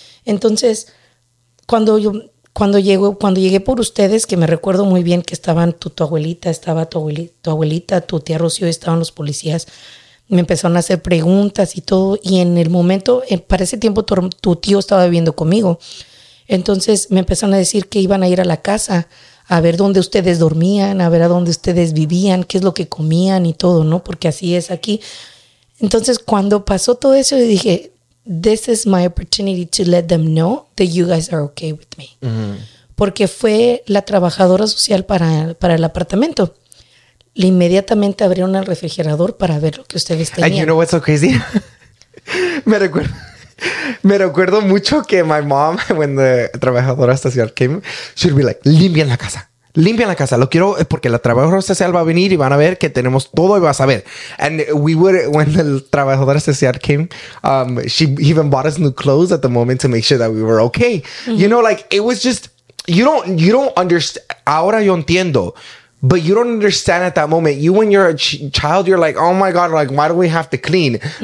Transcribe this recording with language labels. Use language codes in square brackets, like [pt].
[es] Entonces, cuando llegué por ustedes, que me recuerdo muy bien que estaban tu abuelita, estaba tu abuelita, tu tía Rocío, estaban los policías, me empezaron a hacer preguntas y todo. Y en el momento, para ese tiempo, tu tío estaba viviendo conmigo. Entonces me empezaron a decir que iban a ir a la casa a ver dónde ustedes dormían, a ver a dónde ustedes vivían, qué es lo que comían y todo, ¿no? Porque así es aquí. Entonces, cuando pasó todo eso, yo dije, [en] this is my opportunity to let them know that you guys are okay with me. Mm-hmm. [es] Porque fue la trabajadora social para el apartamento. Le inmediatamente abrieron el refrigerador para ver lo que ustedes tenían. [en] And you know what's so crazy? [es] Me recuerdo mucho que [en] my mom, when the trabajadora social came, she'd be like, [es] limpien la casa. Limpien la casa. Lo quiero porque la trabajadora social va a venir y van a ver que tenemos todo y vas a ver. [en] And we would, when the trabajadora social came, she even bought us new clothes at the moment to make sure that we were okay. Mm-hmm. You know, like, it was just, you don't understand. [es] Ahora yo entiendo. [en] But you don't understand at that moment. You, when you're a child, you're like, oh my God, like, why do we have to clean? Mm-hmm.